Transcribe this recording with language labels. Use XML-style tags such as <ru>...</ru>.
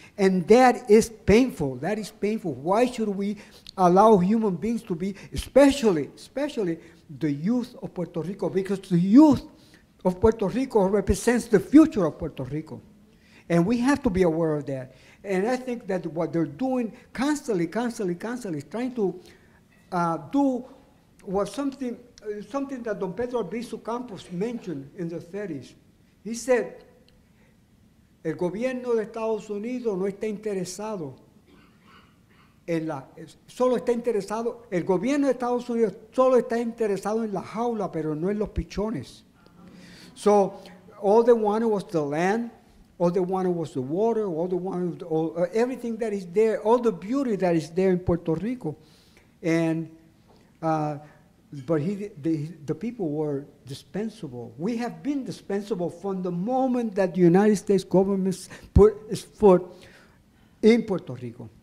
<en>And that is painful. Why should we allow human beings to be, especially the youth of Puerto Rico, because the youth of Puerto Rico represents the future of Puerto Rico. And we have to be aware of that. And I think that what they're doing constantly is trying to do what something that Don Pedro Albizu Campos mentioned in the 30s. He said,</en> <es>el gobierno de Estados Unidos no está interesado en la, solo está interesado, el gobierno de Estados Unidos solo está interesado en la jaula, pero no en los pichones.</es> <en>So all they wanted was the land, all they wanted was the water, all they wanted, everything that is there, all the beauty that is there in Puerto Rico. And, but the people were dispensable. We have been dispensable from the moment that the United States government put its foot in Puerto Rico.</en>